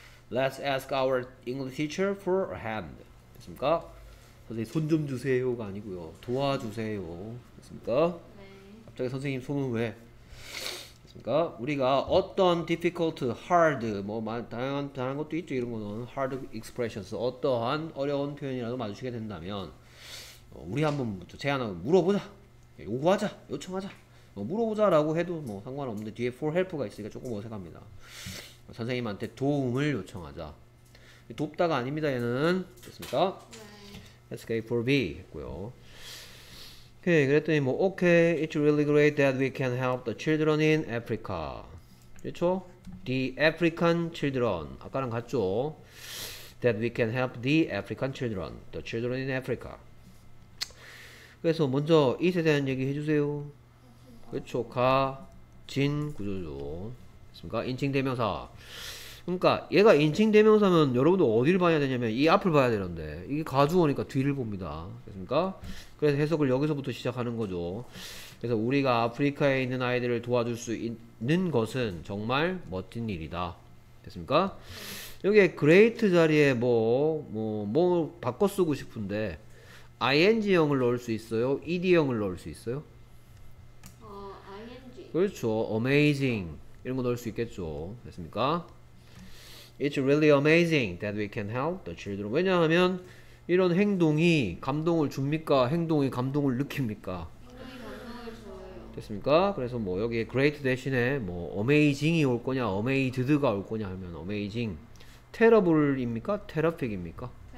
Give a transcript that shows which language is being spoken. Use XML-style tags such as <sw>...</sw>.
<en>Let's ask our English teacher for a hand.</en> <ko>됐습니까? 선생님 손 좀 주세요가 아니고요. 도와주세요. 됐습니까? 네. 갑자기 선생님 손은 왜? 됐습니까? 우리가 어떤 difficult, hard, 뭐 다양한 것도 있죠. 이런 거는 hard expressions. 어떠한 어려운 표현이라도 마주치게 된다면 우리 한번 제안하고 물어보자. 요구하자. 요청하자. 뭐 물어보자라고 해도 뭐 상관없는데 뒤에 for help가 있으니까 조금 어색합니다. 선생님한테 도움을 요청하자. 돕다가 아닙니다. 얘는 됐습니까? 네.</ko> <en>Ask A for B</en> <ko>했고요. 오케이 그랬더니 뭐 오케이</ko> <en>It's really great that we can help the children in Africa.</en> <ko>그렇죠?</ko> <en>The African children</en> <ko>아까랑 같죠?</ko> <en>That we can help the African children, the children in Africa.</en> <ko>그래서 먼저 이에 대한 얘기 해주세요. 그렇죠? 가진 구조죠. 인칭 대명사. 그러니까 얘가 인칭 대명사면 여러분들 어디를 봐야 되냐면 이 앞을 봐야 되는데 이게 가주어니까 뒤를 봅니다. 됐습니까? 그래서 해석을 여기서부터 시작하는 거죠. 그래서 우리가 아프리카에 있는 아이들을 도와줄 수 있는 것은 정말 멋진 일이다. 됐습니까? 여기에 great 자리에 뭐 바꿔 쓰고 싶은데 ing형을 넣을 수 있어요? ed형을 넣을 수 있어요? ing. 그렇죠. amazing. 이런 거 넣을 수 있겠죠. 됐습니까?</ko> <en>It's really amazing that we can help the children.</en> <ko>왜냐하면 이런 행동이 감동을 줍니까? 행동이 감동을 느낍니까? 행동이 감동을 줘요. 됐습니까? 그래서 뭐 여기에 great 대신에 뭐 amazing이 올 거냐, amazed가 올 거냐 하면 amazing. terrible입니까? terrific입니까?</ko>